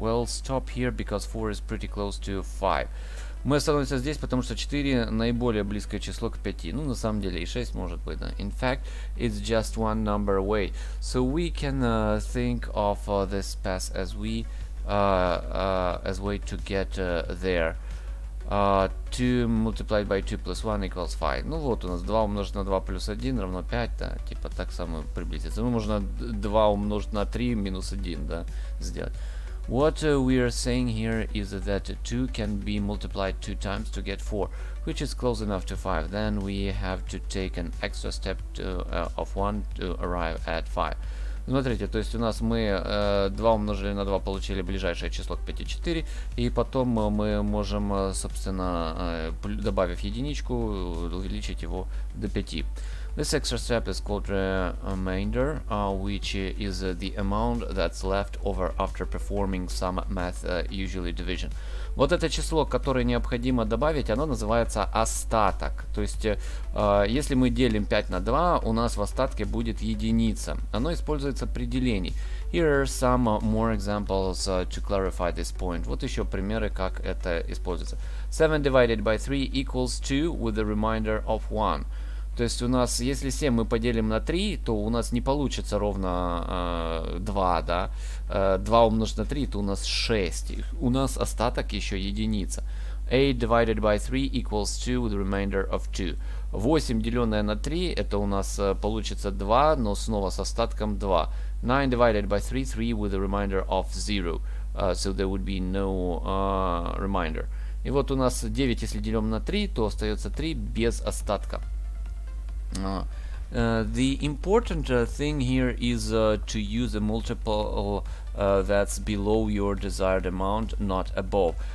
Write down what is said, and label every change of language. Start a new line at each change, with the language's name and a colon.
English: We'll stop here because 4 is pretty close to 5.
Russian: Мы остановимся здесь, потому что 4 наиболее близкое число к 5. Ну, на самом деле, и 6 может быть, да.
English: In fact, it's just one number away. So we can think of this path as we as way to get there. 2 multiplied by 2 plus 1 equals 5.
Russian: Ну вот у нас 2 умножить на 2 плюс 1 равно 5, да, типа так само приблизиться. Ну, можно 2 умножить на 3 минус 1, да, сделать.
English: What we are saying here is that 2 can be multiplied 2 times to get 4, which is close enough to 5. Then we have to take an extra step to, of 1 to arrive at 5.
Russian: Смотрите, то есть у нас мы 2 умножили на 2, получили ближайшее число к 5, 4. И потом мы можем, собственно, добавив единичку, увеличить его до 5.
English: This extra step is called remainder, which is the amount that's left over after performing some math, usually division.
Russian: Вот это число, которое необходимо добавить, оно называется остаток. То есть, если мы делим 5 на 2, у нас в остатке будет единица. Оно используется при делении.
English: Here are some more examples to clarify this point.
Russian: Вот еще примеры, как это используется.
English: 7 divided by 3 equals 2 with a remainder of 1.
Russian: То есть у нас, если 7 мы поделим на 3, то у нас не получится ровно 2, да? 2 умножить на 3, то у нас 6. У нас остаток еще единица.
English: 8 divided by 3 equals 2 with remainder of 2.
Russian: 8 деленное на 3, это у нас получится 2, но снова с остатком 2.
English: 9 divided by 3, 3 with a remainder of 0. So there would be no remainder.
Russian: И вот у нас 9, если делим на 3, то остается 3 без остатка.
English: The important thing here is to use a multiple that's below your desired amount, not above.